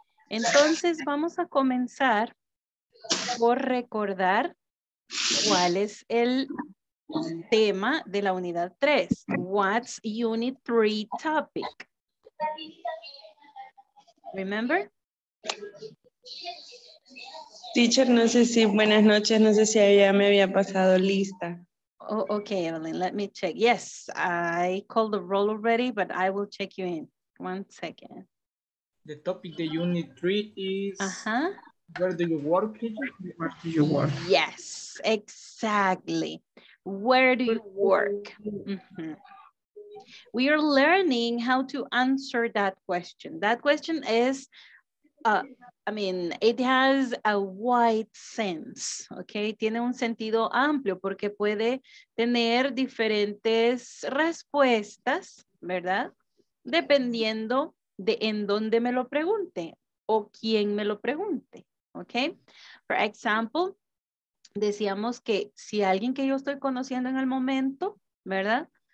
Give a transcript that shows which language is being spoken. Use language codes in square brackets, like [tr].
[es] Entonces, vamos a comenzar por recordar cuál es el tema de la unidad 3. [en] What's unit 3 topic? Remember? [es] Teacher, no sé si buenas noches, no sé si ya me había pasado lista. [en] Oh, okay, Evelyn, let me check. Yes, I called the roll already, but I will check you in. One second. The topic that you need three is uh-huh. Where do you work, teacher? Where do you work? Yes, exactly. Where do you work? Mm-hmm. We are learning how to answer that question. That question is, it has a wide sense, okay? [es] Tiene un sentido amplio porque puede tener diferentes respuestas, ¿verdad? Dependiendo de en dónde me lo pregunte o quién me lo pregunte, okay? [en] For example, [es] decíamos que si alguien que yo estoy conociendo en el momento, ¿verdad?